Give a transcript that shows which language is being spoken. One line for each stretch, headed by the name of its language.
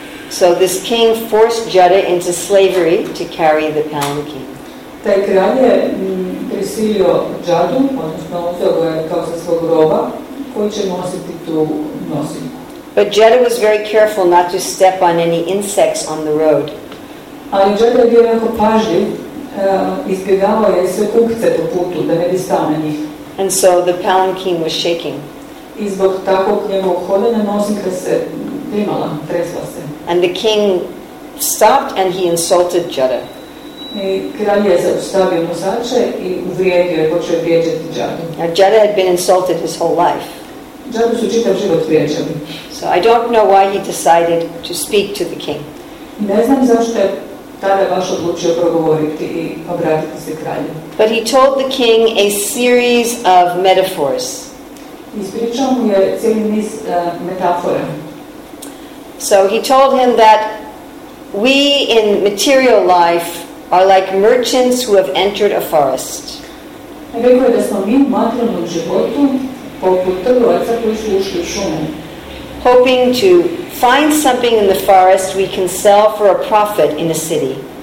English: So this king forced Jutta into slavery to carry the palanquin.
Croatian: Taj kralj je prisilio Jutu, odnosno uzeo ga je kao za svog roba, koji će nositi tu nosinu.
English: But Jutta was very careful not to step on any insects on the road.
Croatian: Ali Jutta bio jako pažljiv, izbjegavao je sve kukce po putu, da ne bi stao na njih.
English: And so the palanquin was shaking.
Croatian: I zbog takvog njegovog hodanja nosinka se trimala, tresla se.
English: And the king stopped and he insulted Jutta.
Croatian: I kralj je zaustavio nosače i uvrijedio je, počeo vrijeđati Jutta.
English: Now Jutta had been insulted his whole life.
Croatian: Jutta su čitav život vrijeđali.
English: So I don't know why he decided to speak to the king.
Croatian: Ne znam zašto je tada baš odlučio progovoriti i obratiti se kralju.
English: But he told the king a series of metaphors.
Croatian: Ispričao mu je cijeli niz metafora.
English: So he told him that we in material life are like merchants who have entered a forest.
Croatian: Rekao je da smo mi u materijalnom životu poput trgovaca koji su ušli u šumu.
English: Hoping to find something in the forest we can sell for a profit in a city.